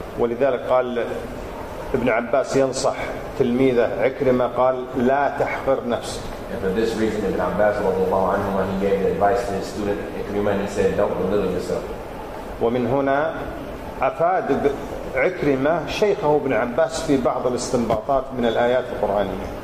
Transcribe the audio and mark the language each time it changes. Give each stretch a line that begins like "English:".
Arabic: ولذلك قال ابن عباس ينصح تلميذه عكرمة قال لا تحقر نفسك.
English: And for this reason, Ibn Abbas
Arabic: رضي الله عنه
English: when he gave the advice to his student عكرمة and he said don't belittle yourself.
Arabic: ومن هنا أفاد عكرمة شيخه ابن عباس في بعض الاستنباطات من الآيات القرآنية.